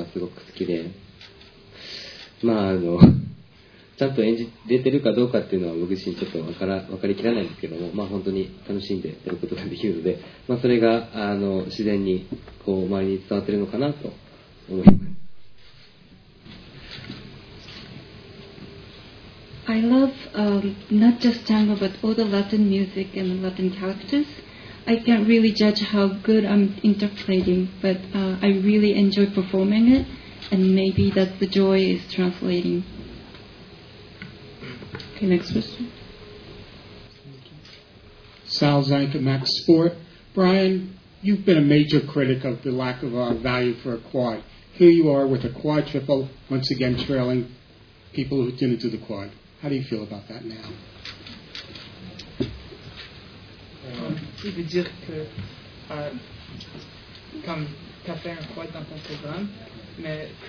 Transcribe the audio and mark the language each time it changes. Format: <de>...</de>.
<ja>すごく難しいですけど、自分自身すごくタンゴだったり、ラテンの曲調っていうのがすごく好きで、ちゃんと演じ出てるかどうかっていうのは僕自身ちょっと分かりきらないんですけども、本当に楽しんでやることができるので、それが自然にこう周りに伝わってるのかなと思います。</ja> <en>I love not just tango but all the Latin music and Latin characters. I can't really judge how good I'm interpreting, but I really enjoy performing it, and maybe that's the joy is translating. Okay, next question. Sal Zanka, Max Sport. Brian, you've been a major critic of the lack of value for a quad. Here you are with a quad triple, once again trailing people who didn't do the quad. How do you feel about that now?</en> <fr>Il veut dire que comme t'as fait un quad dans ton programme, mais</fr>